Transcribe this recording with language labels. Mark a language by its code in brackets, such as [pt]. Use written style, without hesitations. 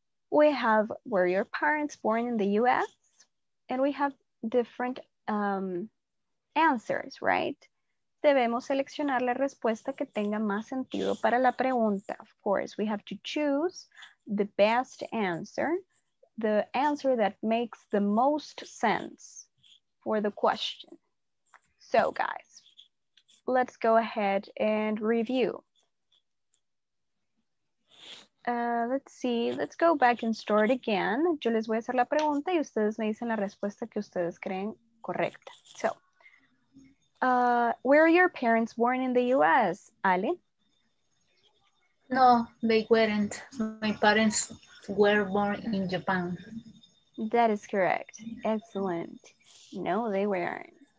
[en] We have, were your parents born in the US? And we have different answers, right? [es] Debemos seleccionar la respuesta que tenga más sentido para la pregunta. [en] Of course, we have to choose the best answer, the answer that makes the most sense for the question. So guys, let's go ahead and review. Let's see, let's go back and start again. [es] Yo les voy a hacer la pregunta y ustedes me dicen la respuesta que ustedes creen correcta. [en] So, were your parents born in the US, Ali? No, they weren't. My parents were born in Japan. That is correct. Excellent. No, they weren't.